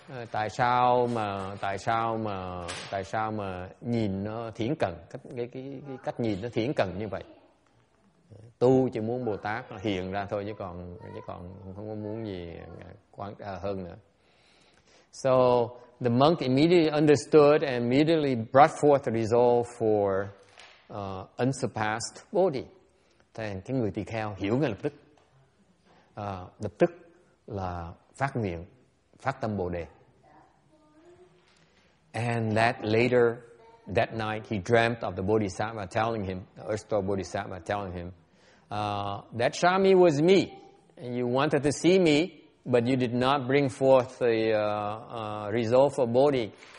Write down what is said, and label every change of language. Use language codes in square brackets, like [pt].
[vi] Tại sao mà nhìn nó thiển cận, cái cách nhìn nó thiển cận như vậy. tu chỉ muốn Bồ Tát nó hiện ra thôi, chứ còn không có muốn gì quan hơn nữa. [en] So the monk immediately understood and immediately brought forth the resolve for unsurpassed Bodhi. [vi] Thì cái người tỳ kheo hiểu ngay lập tức là phát nguyện, phát tâm Bồ Đề. [en] And that later, that night, he dreamt of the Bodhisattva telling him, the Erstwhile Bodhisattva telling him, that Shami was me, and you wanted to see me, but you did not bring forth the resolve for Bodhi.